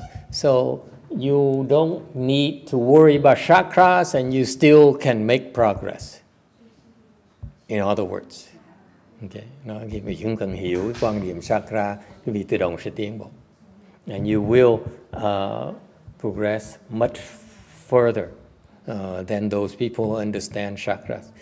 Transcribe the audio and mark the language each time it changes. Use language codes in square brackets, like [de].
[en] So you don't need to worry about chakras and you still can make progress, in other words. Okay. [vi] Nó khi mà chúng cần hiểu quan điểm chakra, cái vị tự động sẽ tiến bộ. [en] And you will progress much further than those people who understand chakras.